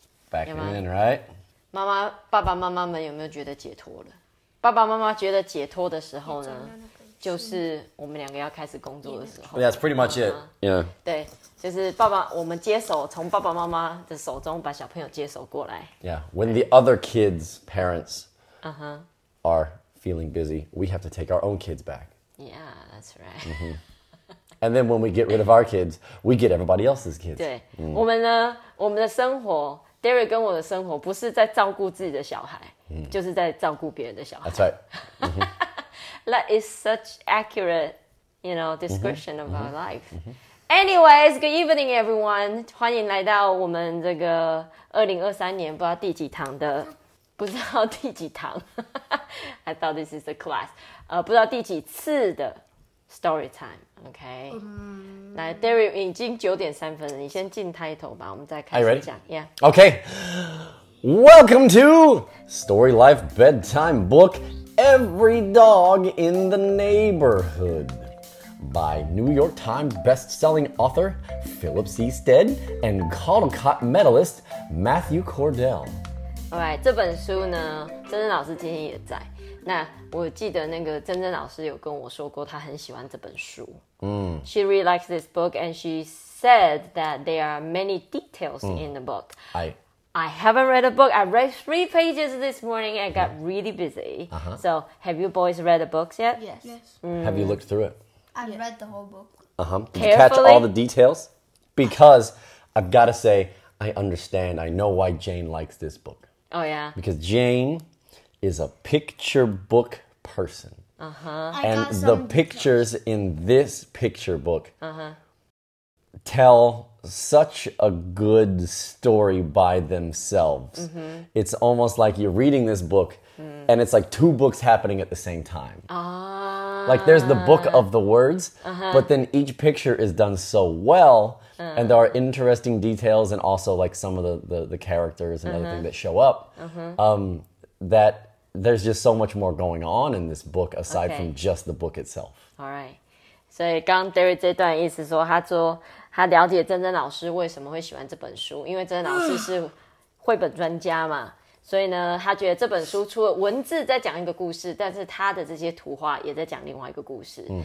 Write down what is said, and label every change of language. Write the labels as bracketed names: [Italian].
[English] back in right？ [Chinese] 妈妈、爸爸妈妈们有没有觉得解脱了？爸爸妈妈觉得解脱的时候呢，就是我们两个要开始工作的时候。 [English] Yeah, that's pretty much it. Yeah. [Chinese] 对。就是爸爸，我们接手，从爸爸妈妈的手中把小朋友接手过来。 [English] Yeah, when the other kids' parents are feeling busy, we have to take our own kids back. Yeah, that's right. Mm-hmm. And then when we get rid of our kids, we get everybody else's kids. [Chinese] 对、mm. 我们呢，我们的生活 ，Derek 跟我的生活不是在照顾自己的小孩， mm. 就是在照顾别人的小孩。 [English] That's right.、Mm-hmm. That is such accurate, you know, description、mm-hmm. of our life.、Mm-hmm. Anyways, good evening, everyone. [Chinese] 欢迎来到我们这个2023年不知道第几堂的，不知道第几堂。 [English] I thought this is the class. [Chinese] 不知道第几次的 [English] story time. Okay. [Chinese] 来 ，Derek 已经9:03了，你先进 title 吧，我们再开始讲。 [English] Yeah. Okay. Welcome to Story Life Bedtime Book. Every dog in the neighborhood. By New York Times best-selling author Philip Seasted and Caldecott medalist Matthew Cordell. [Chinese] All right, 这本书呢，珍珍老师今天也在。那我记得那个珍珍老师有跟我说过，她很喜欢这本书。 [English] She really likes this book, and she said that there are many details in the book. I haven't read a book. I read 3 pages this morning. I got really busy. So, have you boys read the books yet? Yes. Have you looked through it? I've read the whole book. Did you catch all the details? Because I've got to say, I understand. I know why Jane likes this book. Oh, yeah. Because Jane is a picture book person. Uh-huh. And the pictures in this picture book tell such a good story by themselves. Mm-hmm. It's almost like you're reading this book,and it's like 2 books happening at the same time. Like there's the book of the words, but then each picture is done so well, and there are interesting details and also like some of the characters and other things that show up, that there's just so much more going on in this book aside from just the book itself. All right. [Chinese] 所以刚 Derek 这段意思说他说他了解珍珍老师为什么会喜欢这本书，因为珍珍老师是绘本专家嘛。所以呢，他觉得这本书除了文字在讲一个故事，但是他的这些图画也在讲另外一个故事。